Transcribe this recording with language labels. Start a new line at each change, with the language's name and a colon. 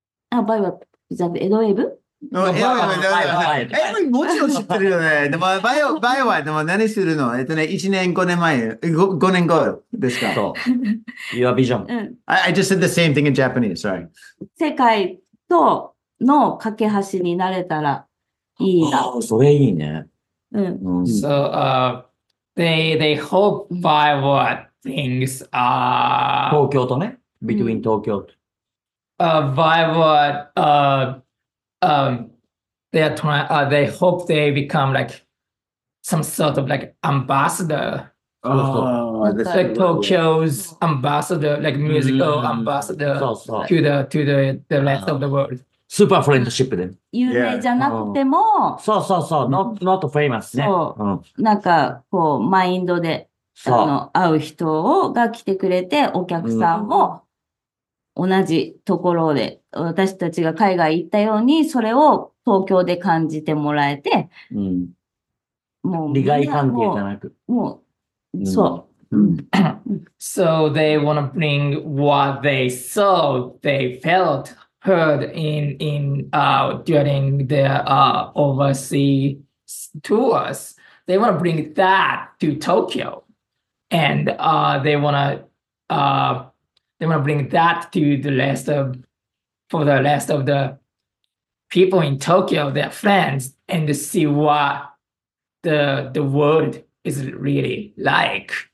Japanese: あ、バイワット、ザ・エドウェーブエドウェーブ、エドウェーブ、もちろん知ってるよね。でも、バイワット、でも何するの1年、5年前、5年後ですか
English: そう。Your vision. I just said the same thing in Japanese, sorry.
Japanese: 世界との架け橋になれたらいいな。あ、それいいね。うん。
English: So, they hope by whatThings are...
Japanese: 東京とね
English: Between
Japanese: 東京と
English: VAIWATT they are trying, they hope they become like some sort of like ambassador. Oh, like Tokyo's ambassador, like musical ambassador to the rest of the world.
Japanese: スーパーフレンドシップで。有名じゃなくても。そうそうそう。
English: not famous
Japanese: ね。そう。なんか、こう、マインドで、会う人をが来てくれて、お客さんも、同じところで、私たちが海外行ったように、それを東京で感じてもらえて、もう、利害関係じゃなく。もう、そう。
English: So they want to bring what they saw, they felt, heard during their overseas tours. They want to bring that to Tokyo, and they want to bring that to the rest of the people in Tokyo, their friends, and to see what the world is really like.